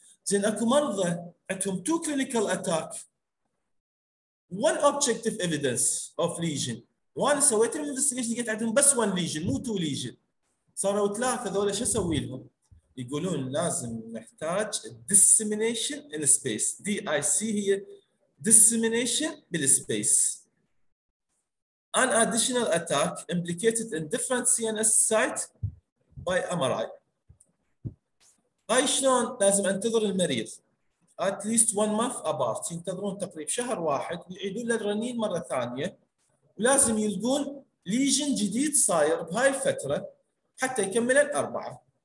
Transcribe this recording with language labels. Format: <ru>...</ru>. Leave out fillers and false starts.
<ar>زين اكو مرضى عندهم تو كلينيكال اتاك وان اوبجكتيف ايفيدنس اوف ليجن، وانا سويت الانفستيجيشن لقيت عندهم بس وان ليجن مو تو ليجن، صاروا ثلاثه، هذول شو اسوي لهم؟ يقولون لازم نحتاج ديسيمينيشن ان سبيس، دي اي سي هي ديسيمينيشن بالسبيس.</ar> <en>An additional attack implicated in different CNS sites by MRI.</en> <ar>هاي شلون؟ لازم انتظر المريض</ar> <en>at least one month apart،</en> <ar>ينتظرون تقريبا شهر واحد ويعيدون للرنين مره ثانيه، ولازم يلقون ليجن جديد صاير بهاي الفتره حتى يكمل الاربعه.</ar>